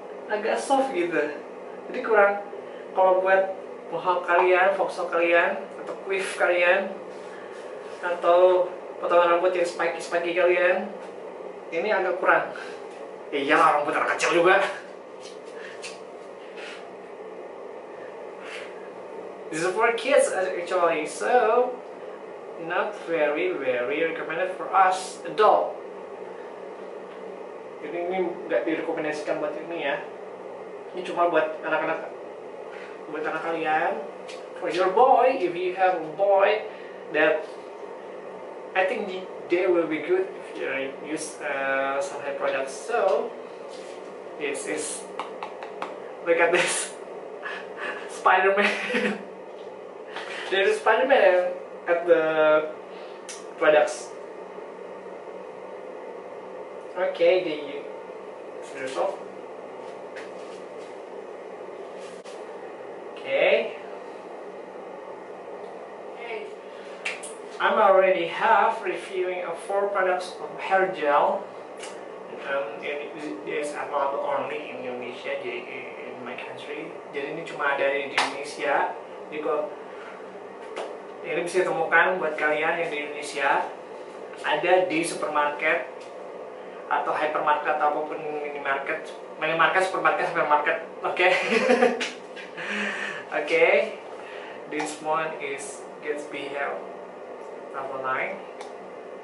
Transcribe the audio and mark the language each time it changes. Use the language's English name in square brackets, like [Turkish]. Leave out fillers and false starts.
[Indonesian] Agak soft gitu. Jadi kurang kalau buat bohok kalian, foxo kalian, atau quiff kalian, atau potongan rambut yang spiky-spiky kalian, ini agak kurang. Iyalah rambut anak kecil juga. [English] This is for kids actually, so not very very recommended for us adult. [Indonesian] Jadi ini nggak direkomendasikan buat ini ya. Ini cuma buat anak-anak. Buat anak kalian, [English] for your boy, if you have a boy, that I think they will be good if you use some hair product. So this is, look at this Spider-Man. There is Spider-Man at the products. Okay, the result. Okay. I'm already half reviewing of 4 products of hair gel. It's available only in Indonesia, in my country. [Indonesian] Jadi ini cuma ada di Indonesia. Jadi kok ini bisa temukan buat kalian yang di Indonesia. Ada di supermarket atau hypermarket ataupun minimarket. [English] Minimarket, supermarket, supermarket. Okay. Okay, this one is Gatsby Hair number 9.